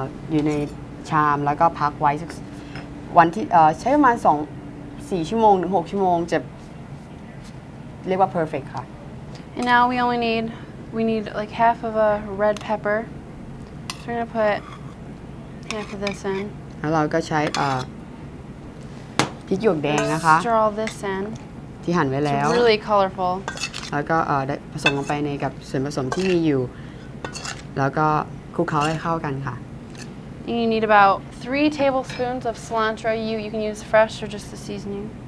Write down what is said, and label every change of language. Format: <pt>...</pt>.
<th>อยู่ในชามแล้วก็พักไว้สักวันที่ใช้ประมาณ2 4ชั่วโมงถึง6ชั่วโมงจะเรียกว่า perfect ค่ะ</th> <en>And now we only need like half of a red pepper. So we're going to put half of this in.</en> <th>แล้วเราก็ใช้พริกหยวกแดงนะคะ</th> <en>Stir all this in.</en> <th>ที่หั่นไว้แล้ว</th> <en>Really colorful.</en> <th>แล้วก็ได้ผสมลงไปในกับส่วนผสมที่มีอยู่แล้วก็คลุกเคล้าให้เข้ากันค่ะ</th> <en>And you need about 3 tablespoons of cilantro. You can use fresh or just the seasoning.</en>